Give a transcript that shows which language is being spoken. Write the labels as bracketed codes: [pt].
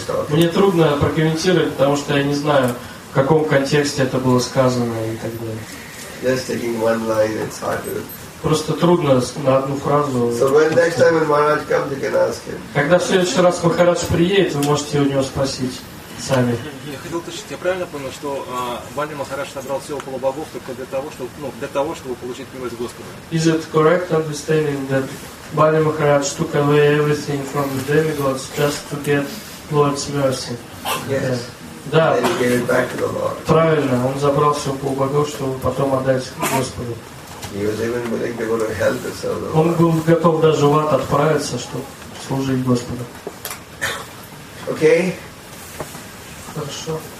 [ru] Мне трудно прокомментировать, потому что я не знаю, в каком контексте это было сказано и так далее. [en] Just taking one line, it's hard to... [ru] Просто трудно на одну фразу. [en] So when next time when Maharaj comes, you can ask him. [ru] Когда в следующий раз Махарадж приедет, вы можете у него спросить сами. Я хотел уточнить, я правильно понял, что Бали Махарадж набрал все около богов только для того, чтобы, ну, для того, чтобы получить милость Господа? [en] Is it correct understanding that Bali Maharaj took away everything from the demigods just to get Lord's mercy? Yes. [ru] Да. [en] Yeah. [ru] Правильно, он забрал все около богов, чтобы потом отдать Господу. [en] He was even willing to go to hell to serve the Lord. [ru] Он был готов даже в ад отправиться, чтобы служить Господу. [en] Okay. [ru] Хорошо.